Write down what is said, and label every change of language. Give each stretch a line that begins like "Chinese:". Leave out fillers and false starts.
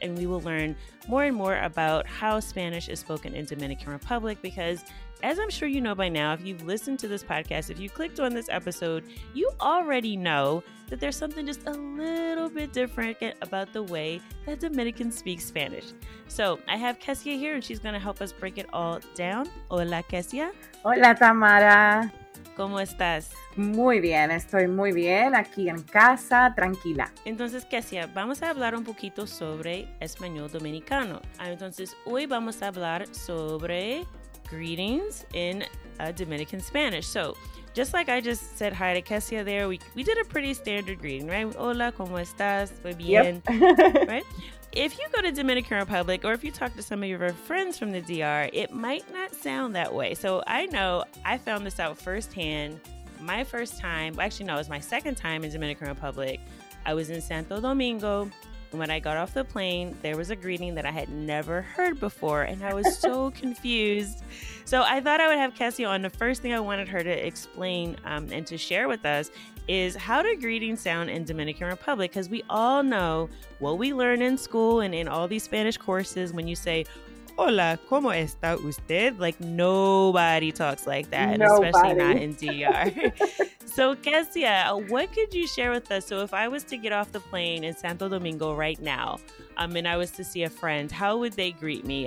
English: And we will learn more and more about how Spanish is spoken in Dominican Republic, because as I'm sure you know by now, if you've listened to this podcast, if you clicked on this episode, you already know that there's something just a little bit different about the way that Dominicans speak Spanish. So I have Kesia here, and she's going to help us break it all down.
Spanish: Hola, Kesia. Hola, Tamara. ¿Cómo estás? Muy bien. Estoy muy bien aquí en casa, tranquila. Entonces, Kesia, vamos a hablar un poquito sobre español dominicano. Entonces, hoy vamos a hablar sobre
English: greetings in Dominican Spanish. So, just like I just said hi to Kesia there, we did a pretty standard greeting, right?
Spanish: Hola, ¿cómo estás? Muy bien.
English: Yep. Right? If you go to Dominican Republic, or if you talk to some of your friends from the DR, it might not sound that way. So, I know I found this out firsthand. My first time, actually no, it was my second time in Dominican Republic. I was in Santo Domingo. When I got off the plane, there was a greeting that I had never heard before, and I was so confused. So I thought I would have Kesia on. The first thing I wanted her to explain and to share with us is, how do greetings sound in Dominican Republic? Because we all know what we learn in school and in all these Spanish courses. When you say,
Spanish: hola, ¿cómo está usted?
English: Like, nobody talks like that, especially not in DR. So, Kesia, what could you share with us? So, if I was to get off the plane in Santo Domingo right now, and I was to see a friend, how would they greet me?